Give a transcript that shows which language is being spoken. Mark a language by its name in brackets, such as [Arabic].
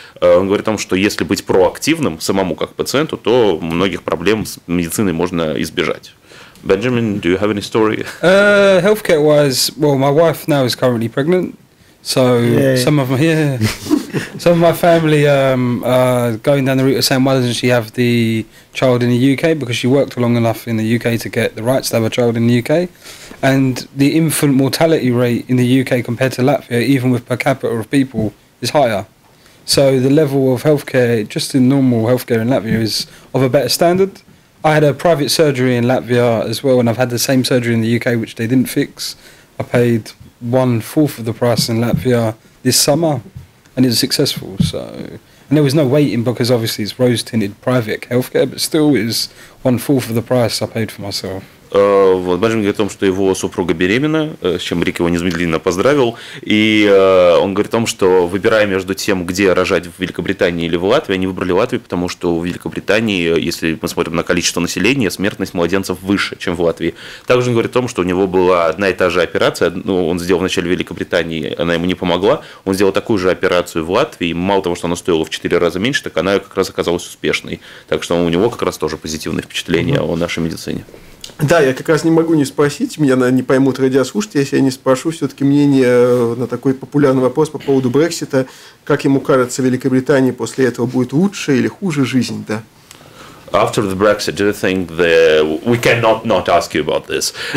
[Russian] Он говорит о том, что если быть проактивным самому как пациенту, то многих проблем с медициной можно избежать. [English] Бенджамин, do you have any story? Healthcare wise, well, my wife now is currently pregnant, so some of my family going down the route of saying, why doesn't she have the child in the UK? Because she worked long enough in the UK to get the rights to have a child in the UK. And the infant mortality rate in the UK compared to Latvia, even with per capita of people, is higher. So the level of healthcare, just in normal healthcare in Latvia, is of a better standard. I had a private surgery in Latvia as well, and I've had the same surgery in the UK, which they didn't fix. I paid 1/4 of the price in Latvia this summer, and it was successful. So, and there was no waiting because obviously it's rose-tinted private healthcare, but still is 1/4 of the price I paid for myself. [Russian] Вот Бенджамин говорит о том, что его супруга беременна, с чем Рик его незамедлительно поздравил, и он говорит о том, что выбирая между тем, где рожать, в Великобритании или в Латвии, они выбрали Латвию, потому что в Великобритании, если мы смотрим на количество населения, смертность младенцев выше, чем в Латвии. Также он говорит о том, что у него была одна и та же операция, ну, он сделал вначале в Великобритании, она ему не помогла, он сделал такую же операцию в Латвии, мало того, что она стоила в 4 раза меньше, так она как раз оказалась успешной, так что у него как раз тоже позитивное впечатление о нашей медицине. Да, я как раз не могу не спросить, меня не поймут радиослушатели, если я не спрошу все-таки мнение на такой популярный вопрос по поводу Брексита. Как ему кажется, в Великобритании после этого будет лучше или хуже жизнь, да? [English] after the Brexit, do you think that we cannot not ask you about this?